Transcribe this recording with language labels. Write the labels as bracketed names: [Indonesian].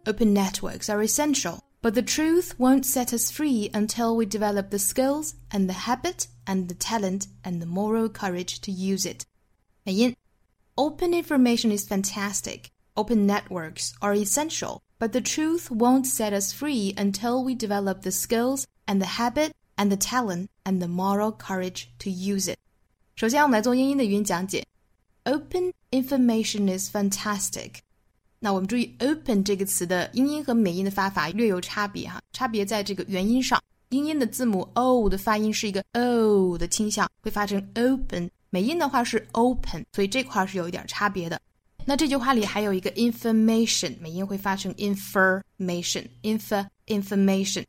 [English] Open networks are essential. But the truth won't set us free until we develop the skills and the habit and the talent and the moral courage to use it. 美音 Open information is fantastic. Open networks are essential. But the truth won't set us free until we develop the skills and the habit and the talent and the moral courage to use it. [Chinese] 首先我们来做英音的语音讲解。 [English] Open information is fantastic. [Chinese] 那我们注意 open 这个词的英音和美音的发法略有差别哈，差别在这个元音上。英音的字母 O 的发音是一个 O 的倾向，会发成 open。美音的话是 open， 所以这块是有一点差别的。那这句话里还有一个 information， 美音会发成 information， information。